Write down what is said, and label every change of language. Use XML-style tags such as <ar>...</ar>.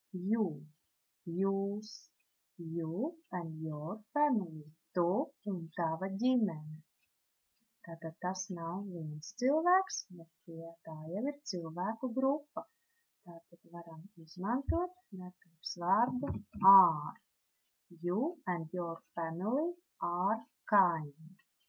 <en>You, jūs, you and your family.</en> <lv>Tu un tava ģimene. Tātad tas nav viens cilvēks, bet tie tā jau ir cilvēku grupa. Tātad varam izmantot darbības vārdu are.</lv> <en>You and your family are kind.</en>